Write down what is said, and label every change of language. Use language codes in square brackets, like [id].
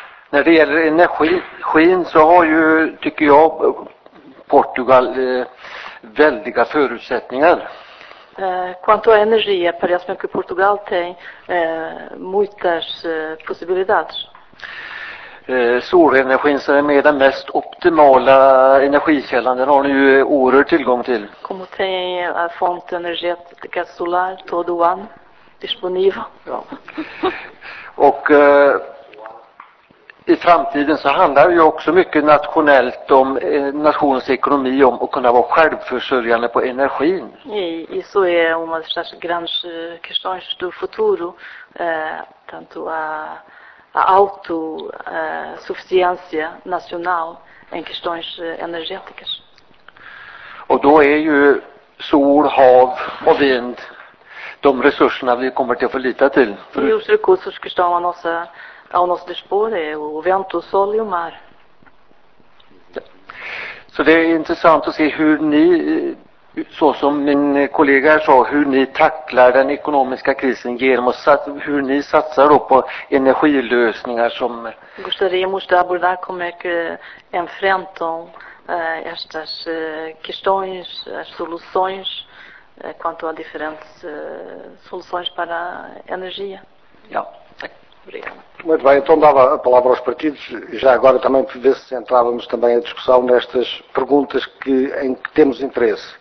[sv] När det gäller energin så har ju, tycker jag, Portugal väldiga förutsättningar. [pt] Quanto a energia, parece-me que Portugal tem muitas possibilidades. [sv] Solenergin som är med den mest optimala energikällan, den har ni ju oerhört tillgång till. [pt] Como tem a fonte energética solar todo o ano disponível. [sv] Ja. Och i framtiden så handlar det ju också mycket nationellt om nationens ekonomi, om att kunna vara självförsörjande på energin. I så är en av de [pt] grandes questões do futuro, tanto a autosuficiência nacional em questões energéticas. [sv] Och då är ju sol, hav och vind de resurserna vi kommer att förlita till. [pt] E os recursos que estão à nossa ao nosso dispor é o vento, o sol e o mar. [sv] Så det är intressant att se hur ni, så som min kollega sa, hur ni tacklar den ekonomiska krisen genom att hur ni satsar på energilösningar som... [pt] Gostaríamos de abordar como é que enfrentam estas questões, as soluções quanto a diferentes soluções para a energia. Já. Muito bem, então dava a palavra aos partidos e já agora também ver se centrávamos também a discussão nestas perguntas que, em que temos interesse.